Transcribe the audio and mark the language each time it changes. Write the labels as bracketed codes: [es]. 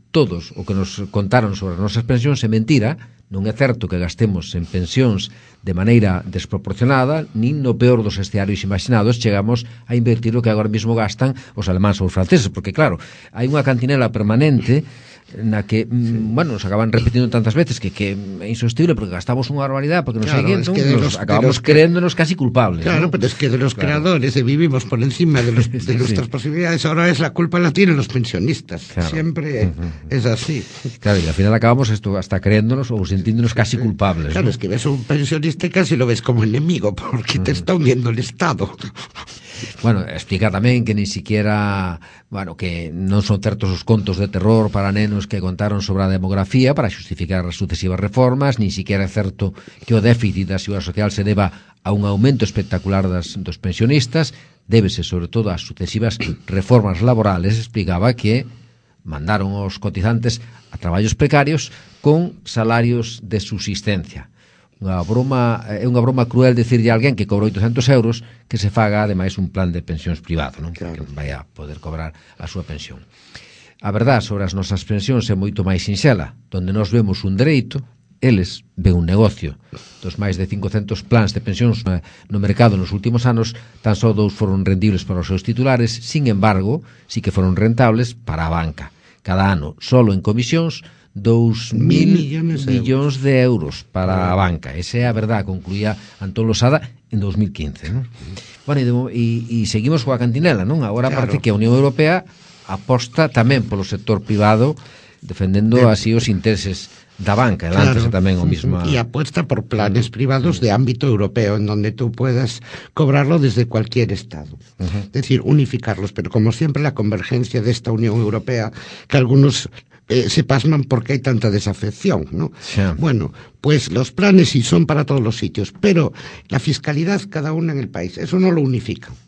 [gl] Todos o que nos contaron sobre as nosas pensións é mentira. Non é certo que gastemos en pensións de maneira desproporcionada, nin no peor dos escenarios imaginados chegamos a invertir o que agora mesmo gastan os alemáns ou os franceses, porque claro, hai unha cantinela permanente na que, bueno, nos acaban repetindo tantas veces que é insostible porque gastamos unha barbaridade, porque nos seguen, [es] es que acabamos creéndonos casi culpables. Claro, ¿no? Pero es que de los creadores vivimos por encima de, los, de nuestras posibilidades, ahora es la culpa la tienen los pensionistas, siempre es así. Claro, y al final acabamos esto hasta creéndonos o sintiéndonos casi culpables. Claro, ¿no? Es que ves un pensionista y casi lo ves como enemigo porque te está hundiendo el Estado. [gl] Bueno, explica tamén que [es] ni siquiera, [gl] bueno, que non son certos os contos de terror para nenos que contaron sobre a demografía para justificar as sucesivas reformas, ni siquiera é certo que o déficit da Seguridade Social se deba a un aumento espectacular dos pensionistas, débese sobre todo ás sucesivas reformas laborales, explicaba que mandaron os cotizantes a traballos precarios con salarios de subsistencia. É unha broma cruel decirle a alguén que cobra 800 euros que se faga ademais un plan de pensións privado, non? Claro. Que vai a poder cobrar a súa pensión. A verdade sobre as nosas pensións é moito máis sinxela. Donde nós vemos un dereito, eles ven un negocio. Dos máis de 500 plans de pensións no mercado nos últimos anos, tan só dous foron rendibles para os seus titulares, [es] sin embargo, sí que [gl] foron rentables para a banca, cada ano, solo en comisións, 2.000 millóns de euros para a banca. Esa é a verdad, concluía Antón Losada en 2015, ¿no? Bueno, e seguimos coa cantinela, non? Agora claro, parece que a Unión Europea aposta tamén polo sector privado, defendendo así os intereses da banca, claro, tamén o mismo. [es] E apuesta por planes privados de ámbito europeo, en donde tú puedas cobrarlo desde cualquier estado. Uh-huh. Es decir, unificarlos. Pero como siempre, la convergencia de esta Unión Europea, que algunos se pasman porque hay tanta desafección, ¿no? Yeah. Bueno, pues los planes sí son para todos los sitios, pero la fiscalidad cada una en el país, eso no lo unifica.